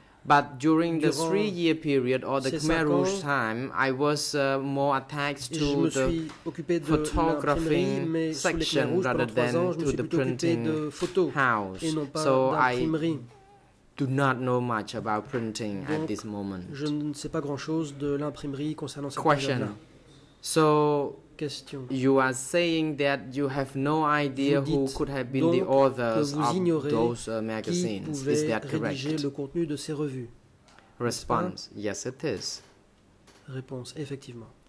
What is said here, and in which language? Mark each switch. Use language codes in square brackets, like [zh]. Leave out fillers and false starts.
[en] But during the 3-year period or the Khmer Rouge time, I was more attached to the photography section rather than to the printing house. So I do not know much about printing at this moment. [fr] Je ne sais pas grand-chose de l'imprimerie concernant cette question. So [en] question. You are saying that you have no idea who could have been the authors of those magazines. Is that correct? [fr] Le contenu de ces revues. [en] Response. Yes, it is. [fr] Réponse. Effectivement.